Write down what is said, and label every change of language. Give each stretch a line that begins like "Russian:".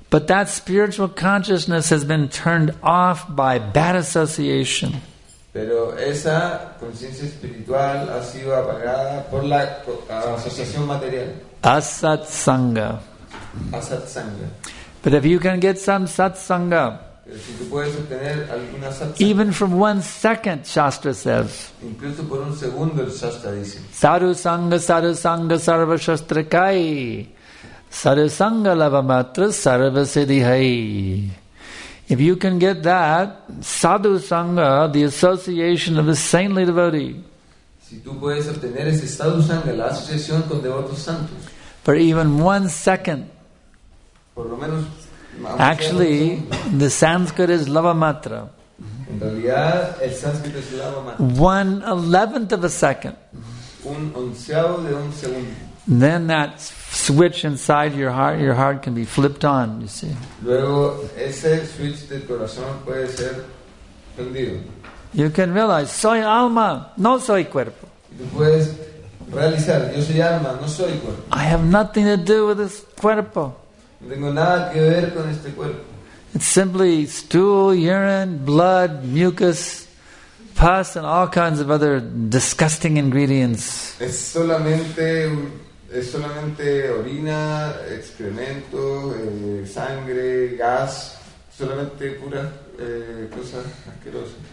English: But that spiritual consciousness has been turned off by bad association.
Spanish: Pero esa conciencia espiritual ha sido apagada por la asociación material.
Sanskrit: Asatsanga. Asatsanga.
English: But if you can get some satsanga,
Spanish: pero si tú puedes obtener alguna satsanga,
English: even from 1 second, Shastra says,
Spanish: incluso por un segundo, el Shastra dice,
Sanskrit: sadhu sanga sarva shastra kai, sadhu sanga lava matra sarva siddhi hai.
English: If you can get that, sadhu sangha, the association of a saintly devotee.
Spanish: Si tú puedes obtener ese sadhu sangha, la asociación con devotos santos.
English: For even 1 second.
Spanish: Por lo menos,
English: actually, the Sanskrit is lava matra.
Spanish: En realidad, el Sanskrit es lava matra.
English: 1/11 of a second.
Spanish: Un onceavo de un segundo.
English: Then that switch inside your heart can be flipped on, you see.
Spanish: Luego, ese switch del corazón puede ser prendido.
English: You can realize,
Spanish: soy alma, no soy cuerpo. Tú puedes realizar, yo soy alma, no soy cuerpo.
English: I have nothing to do with this
Spanish: cuerpo. No tengo nada que ver con este cuerpo.
English: It's simply stool, urine, blood, mucus, pus, and all kinds of other disgusting ingredients.
Spanish: Es solamente orina, excremento, sangre, gas, solamente pura cosa asquerosa.